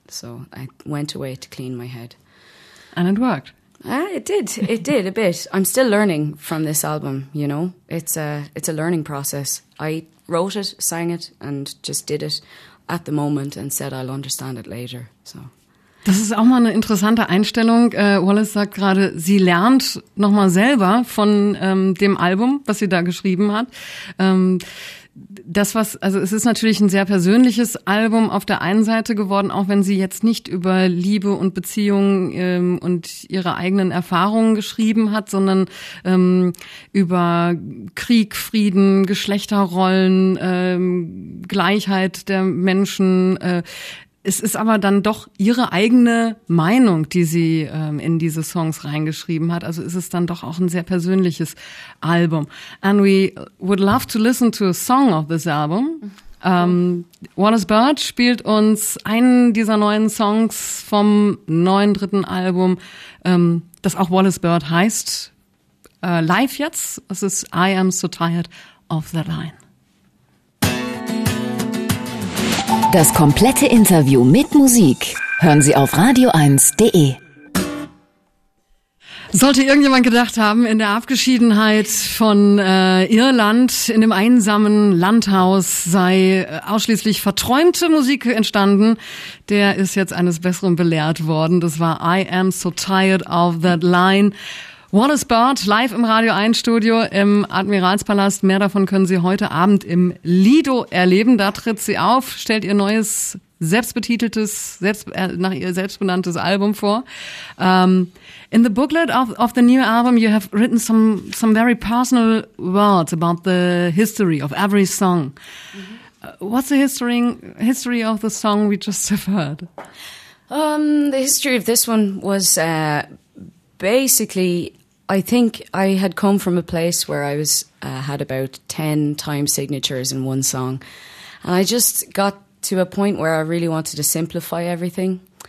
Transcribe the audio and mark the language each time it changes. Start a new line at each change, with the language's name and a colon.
English: So I went away to clean my head. And it worked. It did. It did a bit. I'm still learning from this album, you know. It's a learning process. I wrote it, sang it, and just did it at the moment and said I'll understand it later, so.
German: Das ist auch mal eine interessante Einstellung. Wallace sagt gerade, sie lernt nochmal selber von dem Album, was sie da geschrieben hat. Es ist natürlich ein sehr persönliches Album auf der einen Seite geworden, auch wenn sie jetzt nicht über Liebe und Beziehungen und ihre eigenen Erfahrungen geschrieben hat, sondern über Krieg, Frieden, Geschlechterrollen, Gleichheit der Menschen. Es ist aber dann doch ihre eigene Meinung, die sie in diese Songs reingeschrieben hat. Also ist es dann doch auch ein sehr persönliches Album.
English: And we would love to listen to a song of this album.
German: Wallace Bird spielt uns einen dieser neuen Songs vom neuen dritten Album, das auch Wallace Bird heißt, live jetzt. Es ist I Am So Tired of the Line. Das komplette Interview mit Musik hören Sie auf radio1.de. Sollte irgendjemand gedacht haben, in der Abgeschiedenheit von Irland, in dem einsamen Landhaus, sei ausschließlich verträumte Musik entstanden, der ist jetzt eines Besseren belehrt worden. Das war I Am So Tired of That Line. Wallace Bird live im Radio 1 Studio im Admiralspalast. Mehr davon können Sie heute Abend im Lido erleben. Da tritt sie auf, stellt ihr neues selbstbenanntes Album vor.
English: In the booklet of the new album, you have written some very personal words about the history of every song. Mm-hmm. What's the history of the song we just have heard? The history of this one was basically, I think I had come from a place where I was had about 10 time signatures in one song, and I just got to a point where I really wanted to simplify everything.